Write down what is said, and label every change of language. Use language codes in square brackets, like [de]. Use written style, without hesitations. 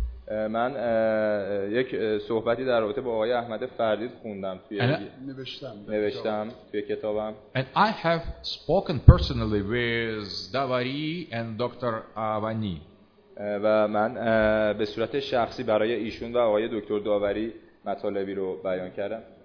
[fa] من یک صحبتی در رابطه با آقای احمد فردید خوندم توی نوشتم توی کتابم. [en] And I have spoken personally with Davari and Dr. Avani. [fa] و من به صورت شخصی برای ایشون و آقای دکتر داوری مطالبی رو بیان کردم.